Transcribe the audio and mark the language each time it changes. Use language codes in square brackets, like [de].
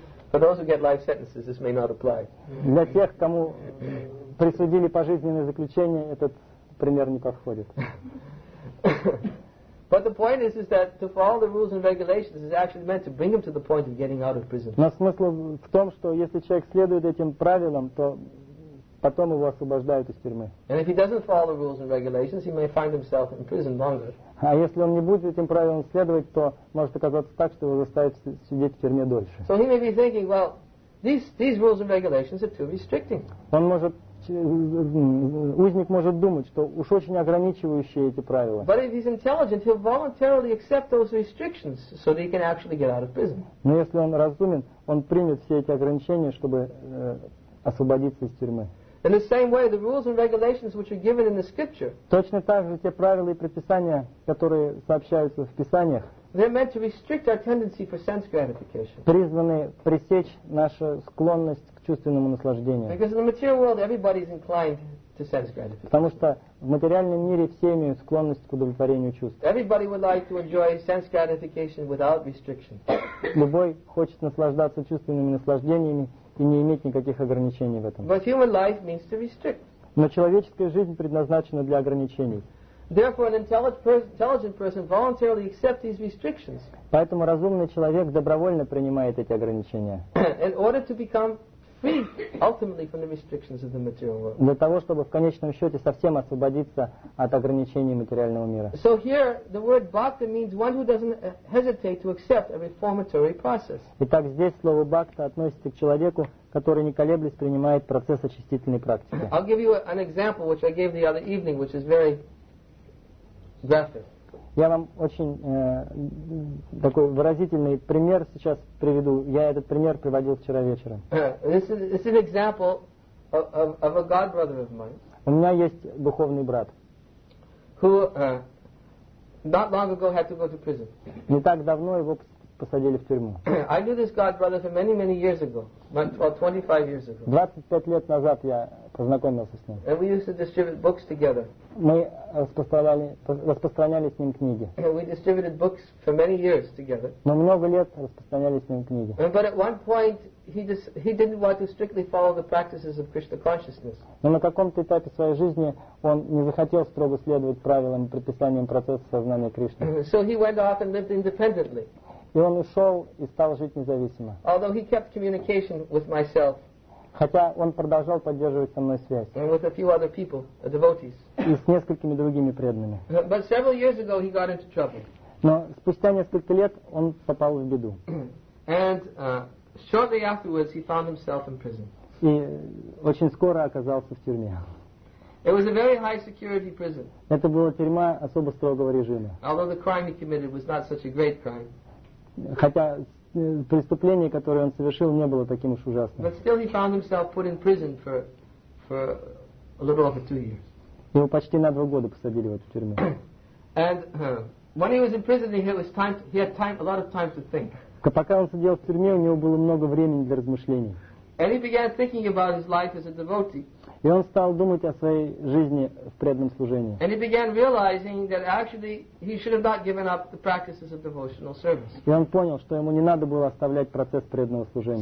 [en] For those who get life sentences, this may not apply. [ru] Для тех, кому присудили пожизненное заключение, этот пример не подходит. [en] But the point is that to follow the rules and regulations is actually meant to bring him to the point of getting out of prison. [ru] Но смысл в том, что если человек следует этим правилам, то потом его освобождают из тюрьмы. [en] And if he doesn't follow the rules and regulations, he may find himself in prison longer. [ru] А если он не будет этим правилам следовать, то может оказаться так, что его заставят сидеть в тюрьме дольше. [en] So he may be thinking, well, these rules and regulations are too restricting. [ru] Он может, узник может думать, что уж очень ограничивающие эти правила. [en] But if he's intelligent, he'll voluntarily accept those restrictions so that he can actually get out of prison. [ru] Но если он разумен, он примет все эти ограничения, чтобы освободиться из тюрьмы. [en] In the same way, the rules and regulations which are given in the Scripture. [ru] Точно так же те правила и предписания, которые сообщаются в Писаниях. [en] They're meant to restrict our tendency for sense gratification. [ru] Призваны пресечь нашу склонность к чувственному наслаждению. [en] Because in the material world, everybody is inclined to sense gratification. [ru] Потому что в материальном мире все имеют склонность к удовлетворению чувств. [en] Everybody would like to enjoy sense gratification without restriction. [ru] Любой хочет наслаждаться чувственными наслаждениями и не иметь никаких ограничений в этом. [en] But human life means to restrict. [ru] Но человеческая жизнь предназначена для ограничений. [en] Therefore, an intelligent person voluntarily accepts these restrictions. [ru] Поэтому разумный человек добровольно принимает эти ограничения. [en] In order to become free ultimately from the restrictions of the material world. [ru] Для того, чтобы в конечном счете совсем освободиться от ограничений материального мира. [en] So here, the word bhakta means one who doesn't hesitate to accept a reformatory process. [ru] Итак, здесь слово бхакта относится к человеку, который не колеблясь принимает процесс очистительной практики. [en] I'll give you an example which I gave the other evening, which is very graphic. [ru] Я вам очень такой выразительный пример сейчас приведу. Я этот пример приводил вчера вечером. [en] This is an example of a god brother of mine. [ru] У меня есть духовный брат. [en] Who not long ago had to go to prison. [ru] Не так давно его посадили в тюрьму. [en] I knew this god brother for many, many years ago. About 25 years ago. [ru] 25 лет назад я познакомился с ним. [en] And we used to distribute books together. [ru] Мы распространяли с ним книги. [en] We distributed books for many years together. [ru] Мы много лет распространяли с ним книги. [en] But at one point he didn't want to strictly follow the practices of Krishna consciousness. [ru] Но на каком-то этапе своей жизни он не захотел строго следовать правилам и предписаниям процесса сознания Кришны. [en] So he went off and lived independently. [ru] И он ушел и стал жить независимо. [en] Although he kept communication with myself. [ru] Хотя он продолжал поддерживать со мной связь. [en] And with a few other people, the devotees. [ru] И с несколькими другими преданными. [en] But several years ago he got into trouble. [ru] Но спустя несколько лет он попал в беду. [en] And shortly afterwards he found himself in prison. [ru] И очень скоро оказался в тюрьме. [en] It was a very high security prison. [ru] Это была тюрьма особо строгого режима. [en] Although the crime he committed was not such a great crime. [ru] Хотя преступление, которое он совершил, не было таким уж ужасным. [en] But still he found himself put in prison for a little over 2 years. [ru] Его почти на 2 года посадили в эту тюрьму. [en] And when he was in prison, he had a lot of time to think. [ru] Пока он сидел в тюрьме, у него было много времени для размышлений. [en] And he began thinking about his life as a devotee. [ru] И он стал думать о своей жизни в преданном служении. [en] And he began realizing that actually he should have not given up the practices of devotional service. [ru] И он понял, что ему не надо было оставлять процесс преданного служения.